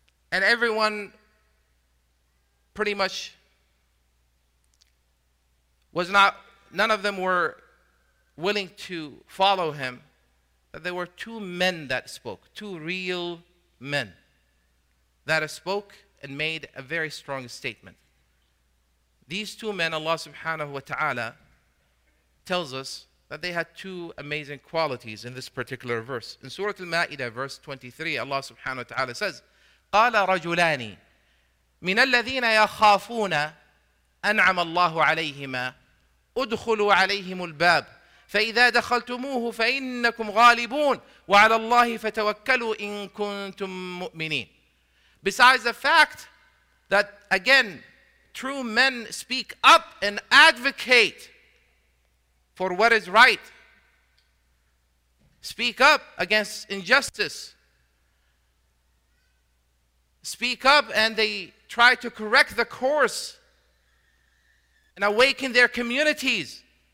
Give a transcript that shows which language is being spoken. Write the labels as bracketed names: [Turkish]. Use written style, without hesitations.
[English] and everyone pretty much was not, none of them were willing to follow him, but there were two men that spoke, two real men that spoke and made a very strong statement. These two men, Allah subhanahu wa ta'ala tells us that they had two amazing qualities in this particular verse. In Surah Al-Ma'idah, verse 23, Allah subhanahu wa ta'ala says, [Arabic] قَالَ رَجُلَانِ مِنَ الَّذِينَ يَخَافُونَ أَنْعَمَ اللَّهُ عَلَيْهِمَا أُدْخُلُوا عَلَيْهِمُ الْبَابِ فَإِذَا دَخَلْتُمُوهُ فَإِنَّكُمْ غَالِبُونَ وَعَلَى اللَّهِ فَتَوَكَّلُوا إِن كُنْتُم مُؤْمِنِينَ. [English] Besides the fact that, again, true men speak up and advocate for what is right, speak up against injustice, speak up and they try to correct the course and awaken their communities.